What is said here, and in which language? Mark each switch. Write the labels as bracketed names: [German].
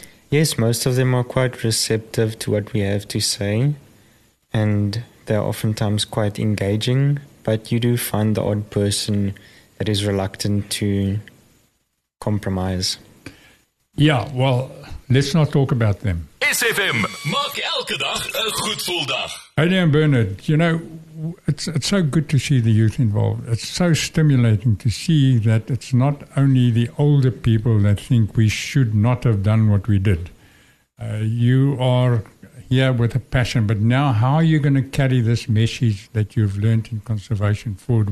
[English] Yes, most of them are quite receptive to what we have to say, and they're oftentimes quite engaging, but you do find the odd person that is reluctant to compromise. Yeah, well, let's not talk about them. [Afrikaans] SFM, maak elke dag een goed voel dag. [English] Heidi and Bernard, you know, it's so good to see the youth involved. It's so stimulating to see that it's not only the older people that think we should not have done what we did. You are here with a passion, but now how are you going to carry this message that you've learned in conservation forward?